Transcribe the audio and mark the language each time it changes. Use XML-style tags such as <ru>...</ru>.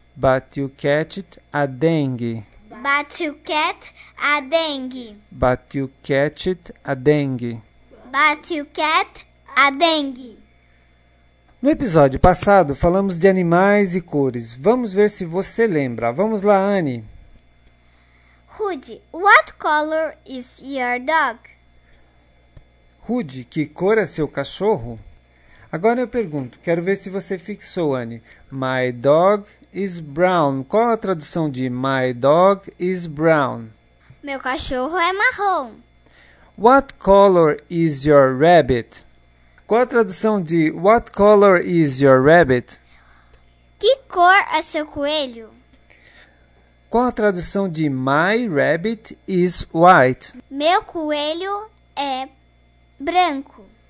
<en>But you catch a dengue. But you catch a dengue. But you catch it a dengue. But you catch a dengue.</en> <pt>No episódio passado, falamos de animais e cores. Vamos ver se você lembra. Vamos lá, Anne.</pt> <en>Rudy, what color is your dog?</en> <pt>Rudy, que cor é seu cachorro? Agora eu pergunto, quero ver se você fixou, Anne.</pt> <en>My dog is brown.</en> <pt>Qual a tradução de</pt> <en>my dog is brown?</en> <pt>Meu cachorro é marrom.</pt> <en>What color is your rabbit?</en> <pt>Qual a tradução de</pt> <en>what color is your rabbit?</en> <pt>Que cor é seu coelho? Qual a tradução de</pt> <en>my rabbit is white?</en> <pt>Meu coelho é branco.</pt>